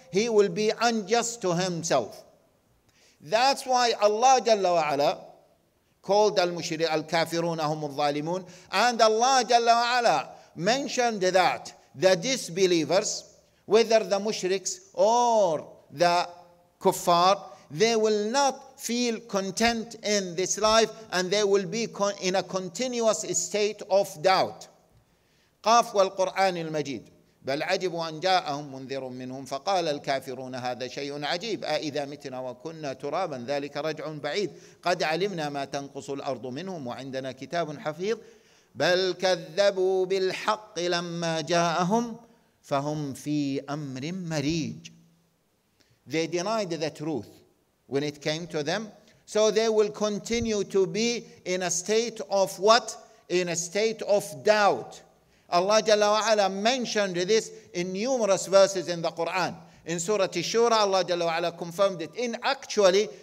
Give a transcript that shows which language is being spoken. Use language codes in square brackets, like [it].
[en] He will be unjust to himself. That's why Allah Jalla Ala called [ar] al-kafiruna humu al-zalimun, [en] and Allah Jalla Ala mentioned that the disbelievers, whether the mushriks or the kuffar, they will not feel content in this life, and they will be in a continuous state of doubt. [ar] قاف والقرآن المجيد بل عجب أن جاءهم منذر منهم فقال الكافرون هذا شيء عجيب أئذا متنا وكنا ترابا ذلك رجع بعيد قد علمنا ما تنقص الأرض منهم وعندنا كتاب حفيظ بل كذبوا بالحق لما جاءهم فهم في أمر مريج. [en] They denied the truth when it came to them, so they will continue to be in a state of what? In a state of doubt. Allah Jalla wa Ala mentioned this in numerous verses in the Quran. In Surah Ash-Shura, Allah Jalla wa Ala confirmed it.